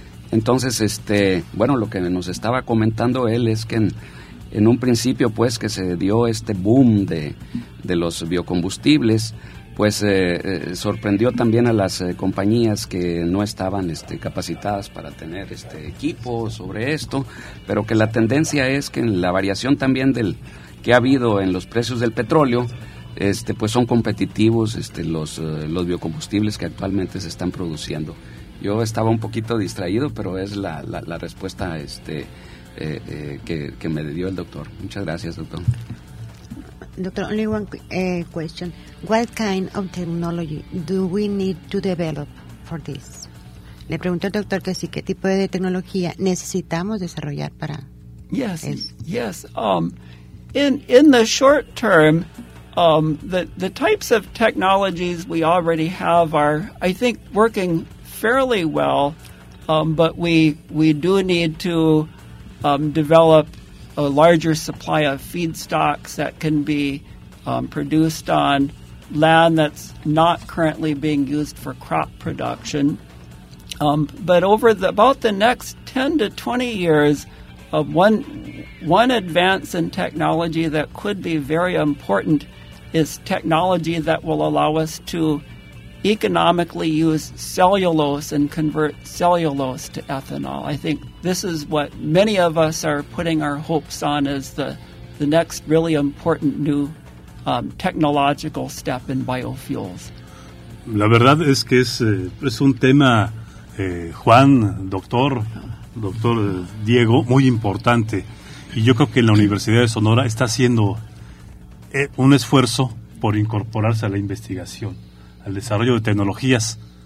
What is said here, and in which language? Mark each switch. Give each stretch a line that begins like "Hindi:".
Spanish: Entonces, bueno, lo que nos estaba comentando él es que en un principio, pues, que se dio este boom de los biocombustibles, pues sorprendió también a las compañías que no estaban capacitadas para tener equipo sobre esto, pero que la tendencia es que en la variación también del que ha habido en los precios del petróleo, pues son competitivos los biocombustibles que actualmente se están produciendo. Yo estaba un poquito distraído, pero es la respuesta que me dio el doctor. Muchas gracias, doctor.
English: Doctor, only one question. What kind of technology do we need to develop for this?
Spanish: Le pregunté al doctor que sí, ¿qué tipo de tecnología necesitamos desarrollar para
English: Yes. In the short term, the types of technologies we already have are, I think, working fairly well, but we do need to develop a larger supply of feedstocks that can be produced on land that's not currently being used for crop production. But over about the next 10 to 20 years, one advance in technology that could be very important is technology that will allow us to economically use cellulose and convert cellulose to ethanol. I think this is what many of us are putting our hopes on as the next really important new technological step in biofuels.
Spanish: La verdad es que es un tema, Juan, doctor Diego, muy importante. Y yo creo que la Universidad de Sonora está haciendo un esfuerzo por incorporarse a la investigación, al desarrollo de tecnologías.